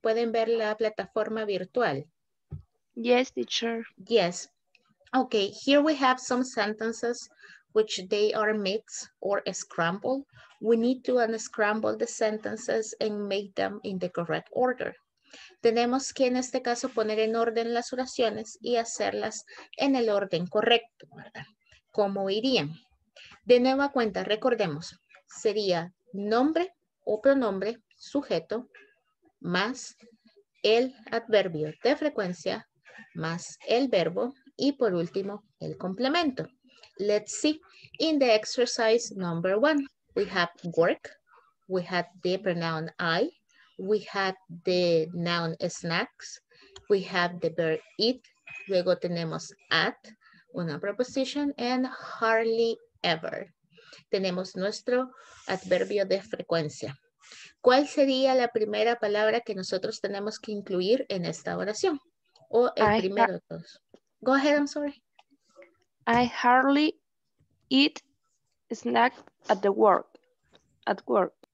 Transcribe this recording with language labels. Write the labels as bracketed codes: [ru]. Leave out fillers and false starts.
[es] ¿Pueden ver la plataforma virtual? [en] Yes, teacher. Yes. Okay, here we have some sentences which they are mixed or scrambled. We need to unscramble the sentences and make them in the correct order. [es] Tenemos que, en este caso, poner en orden las oraciones y hacerlas en el orden correcto, ¿verdad? ¿Cómo irían? De nueva cuenta, recordemos, sería nombre o pronombre, sujeto, más el adverbio de frecuencia, más el verbo, y por último, el complemento. [en] Let's see. In the exercise number one, we have work, we have the pronoun I, we have the noun snacks, we have the verb eat, [es] luego tenemos at, una preposición, [en] and hardly ever. [es] Tenemos nuestro adverbio de frecuencia. ¿Cuál sería la primera palabra que nosotros tenemos que incluir en esta oración? O el primero de todos. [en] Go ahead, I'm sorry. I hardly eat snacks at the work. At work.